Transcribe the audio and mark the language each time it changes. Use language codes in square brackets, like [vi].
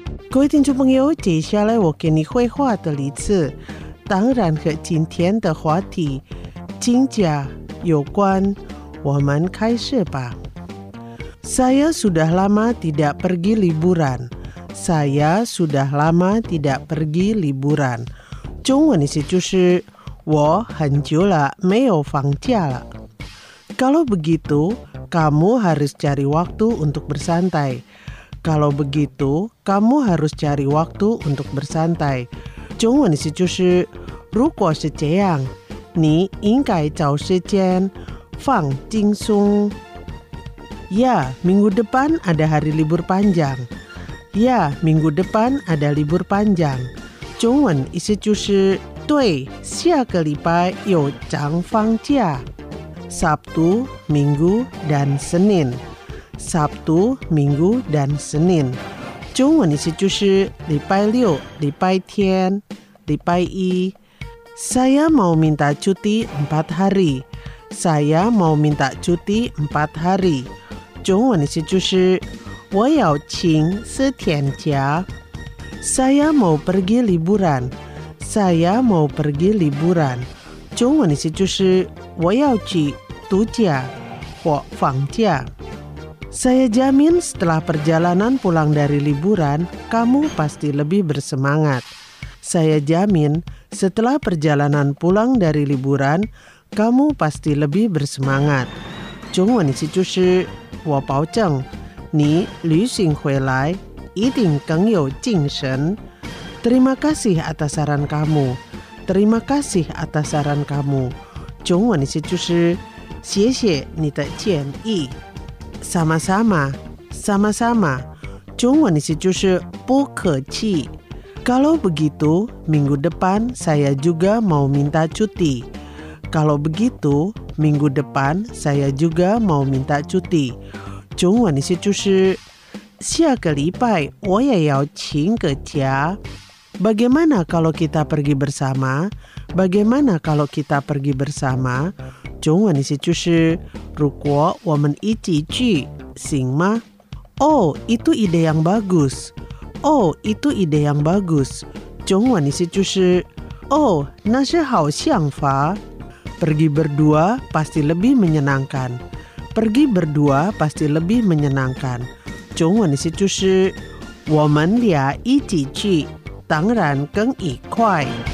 [zh] 各位听众朋友，接下来我给你绘画的例子，当然和今天的话题请假有关。我们开始吧。 [id] Saya sudah lama tidak pergi liburan. Saya sudah lama tidak pergi liburan. [zh] 中文的词就是我很久了没有放假了。 [id] Kalau begitu, kamu harus cari waktu untuk bersantai. Kalau begitu, kamu harus cari waktu untuk bersantai. [zh] 中文的词就是如果是这样，你应该找时间放轻松。 [id] Ya, minggu depan ada hari libur panjang. Ya, minggu depan ada libur panjang. [zh] 中文意思就是对，下个礼拜有长放假。 [id] Sabtu, Minggu, dan Senin. Sabtu, Minggu, dan Senin. [zh] 中文意思就是礼拜六、礼拜天、礼拜一。 [id] Saya mau minta cuti 4 hari. Saya mau minta cuti 4 hari. [zh] 中文意思就是我要请四天假。 [id] Saya mau pergi liburan. Saya mau pergi liburan. [zh] 中文的词就是我要去度假或放假。 [id] Saya jamin setelah perjalanan pulang dari liburan, kamu pasti lebih bersemangat. Saya jamin setelah perjalanan pulang dari liburan, kamu pasti lebih bersemangat. [zh] 中文的词就是我保证你旅行回来一定更有精神。 [id] Terima kasih atas saran kamu. Terima kasih atas saran kamu. [zh] 中文的词就是谢谢你的建议。 [id] Sama-sama, sama-sama. [zh] 中文的词就是不客气。 [id] Kalau begitu, minggu depan saya juga mau minta cuti. Kalau begitu, minggu depan saya juga mau minta cuti. [zh] 中文的词就是下个礼拜我也要请个假。 [id] Bagaimana kalau kita pergi bersama? Bagaimana kalau kita pergi bersama? [zh] 中文意思就是, 如果我们一起去, 行吗? [id] Oh, itu ide yang bagus. Oh, itu ide yang bagus. [zh] 中文意思就是, Oh, 那是好想法. [id] Pergi berdua pasti lebih menyenangkan. Pergi berdua pasti lebih menyenangkan. [zh] 中文意思就是, 我们俩一起去, 当然更愉快.